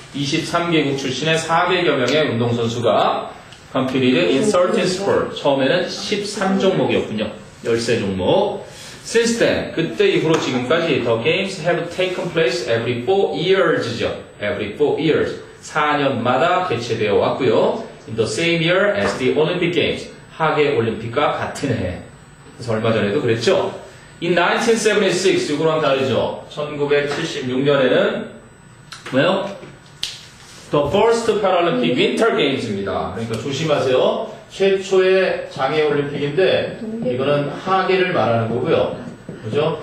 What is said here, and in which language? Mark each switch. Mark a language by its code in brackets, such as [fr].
[ko] 23개국 출신의 400여 명의 운동선수가 [en] competed in 13 sports. [ko] 처음에는 13종목이었군요. 13종목. [en] Since then, [ko] 그때 이후로 지금까지 [en] the games have taken place every 4 years죠. Every 4 years. [ko] 4년마다 개최되어 왔고요. [en] In the same year as the Olympic Games. [ko] 하계 올림픽과 같은 해. 그래서 얼마 전에도 그랬죠. [en] In 1976, [ko] 이거랑 다르죠. 1976년에는, [en] well, the first Paralympic Winter Games입니다. [ko] 그러니까 조심하세요. 최초의 장애 올림픽인데, 이거는 하계를 말하는 거고요. 그죠?